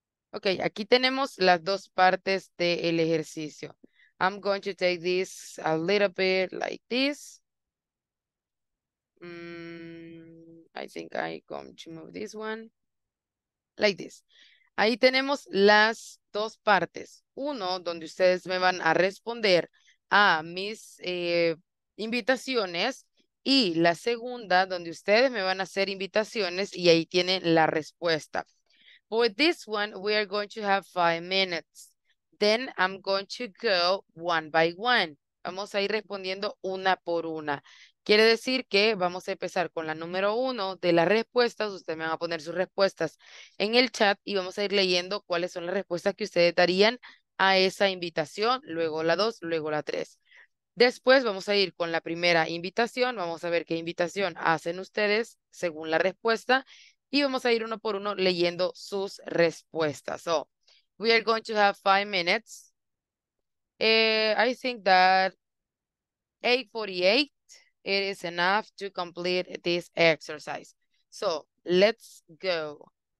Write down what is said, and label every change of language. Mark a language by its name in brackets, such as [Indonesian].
[Spanish] Ok, aquí tenemos las dos partes del ejercicio. [English] I'm going to take this a little bit like this. I think I'm going to move this one. Like this. [Spanish] Ahí tenemos las dos partes. Uno, donde ustedes me van a responder a mis invitaciones. Y la segunda, donde ustedes me van a hacer invitaciones y ahí tienen la respuesta. [English] For this one, we are going to have 5 minutes. Then I'm going to go one by one. [Spanish] Vamos a ir respondiendo una por una. Quiere decir que vamos a empezar con la número uno de las respuestas. Ustedes me van a poner sus respuestas en el chat y vamos a ir leyendo cuáles son las respuestas que ustedes darían a esa invitación. Luego la dos, luego la tres. Después vamos a ir con la primera invitación. Vamos a ver qué invitación hacen ustedes según la respuesta. Y vamos a ir uno por uno leyendo sus respuestas. [English] So, we are going to have 5 minutes. I think that 8:48 is enough to complete this exercise. So, let's go.